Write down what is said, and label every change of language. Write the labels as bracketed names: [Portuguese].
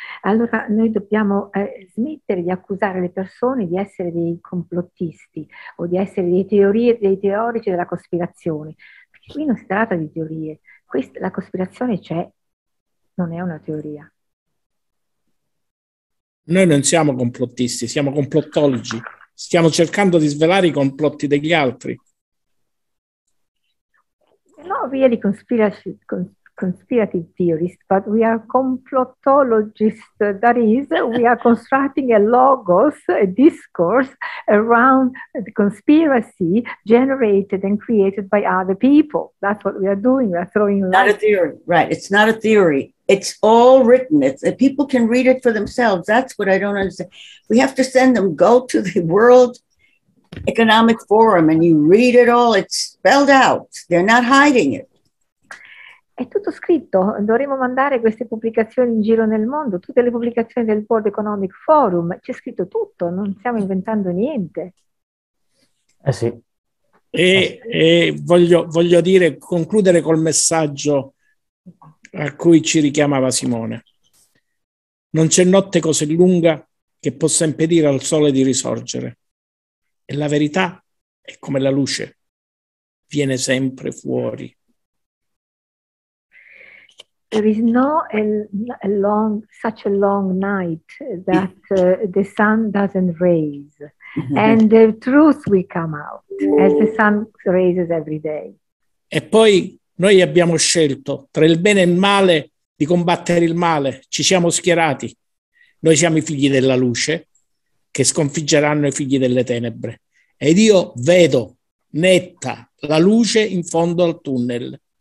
[Italian] Allora noi dobbiamo smettere di accusare le persone di essere dei complottisti o di essere dei teorici della cospirazione. Perché qui non si tratta di teorie, la cospirazione c'è, non è una teoria. Noi non siamo complottisti, siamo complottologi. Stiamo cercando di svelare i complotti degli altri. [English] Not really conspiracy theorists, but we are complotologists. That is, we are constructing a logos, a discourse around the conspiracy generated and created by other people. That's what we are doing. We are throwing light. Not a theory, right? It's not a theory. It's all written. People can read it for themselves. That's what I don't understand. We have to send them. Go to the world. Economic Forum, and you read it all, it's spelled out. They're not hiding it. [Italian] È tutto scritto. Dovremmo mandare queste pubblicazioni in giro nel mondo. Tutte le pubblicazioni del World Economic Forum, c'è scritto tutto. Non stiamo inventando niente. Eh sì. E voglio dire, concludere col messaggio a cui ci richiamava Simone. Non c'è notte così lunga che possa impedire al sole di risorgere. E la verità è come la luce, viene sempre fuori. [English] There is no such a long night that the sun doesn't raise. Mm-hmm. And the truth will come out as the sun raises every day. [Italian] E poi Noi abbiamo scelto tra il bene e il male di combattere il male, ci siamo schierati. Noi siamo i figli della luce che sconfiggeranno i figli delle tenebre. Ed io vedo netta la luce in fondo al tunnel.